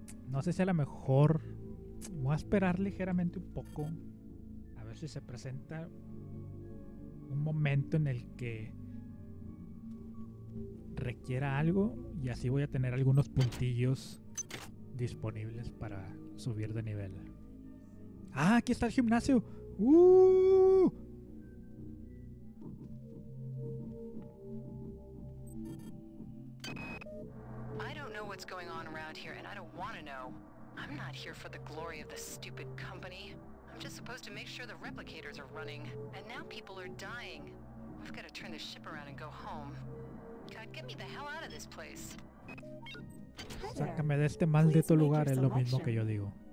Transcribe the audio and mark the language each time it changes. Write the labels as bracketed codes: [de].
[es] No sé si a lo mejor voy a esperar ligeramente un poco, a ver si se presenta un momento en el que requiera algo, y así voy a tener algunos puntillos disponibles para subir de nivel. ¡Ah! ¡Aquí está el gimnasio! [en] I don't know what's going on around here, and I don't want to know. I'm not here for the glory of the stupid company. I'm just supposed to make sure the replicators are running, and now people are dying. I've got to turn the ship around and go home. God, get me the hell out of this place. [es] Sácame de este maldito lugar, es lo mismo que yo digo.